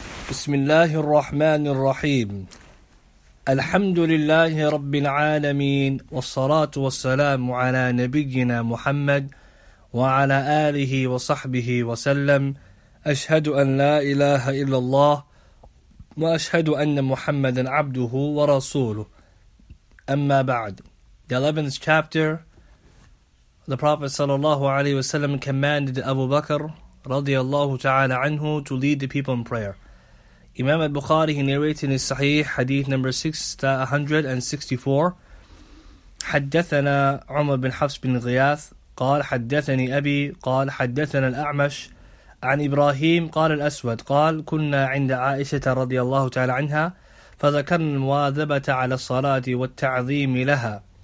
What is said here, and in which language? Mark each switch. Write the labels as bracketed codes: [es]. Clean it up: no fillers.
[ar] بسم الله الرحمن الرحيم الحمد لله رب العالمين والصلاة والسلام على نبينا محمد وعلى آله وصحبه وسلم أشهد أن لا إله إلا الله وأشهد أن محمدا عبده ورسوله أما بعد [en] The 11th chapter The Prophet [ar] صلى الله عليه وسلم [en] commanded Abu Bakr [ar] رضي الله تعالى عنه [en] to lead the people in prayer. Imam al-Bukhari, he narrates in his Sahih, Hadith number 664. [ar] حدثنا عمر بن حفص بن غياث قال حدثني أبي قال حدثنا الأعمش عن إبراهيم قال الأسود قال كنا عند عائشة رضي الله تعالى عنها فذكرنا المواظبة على الصلاة والتعظيم لها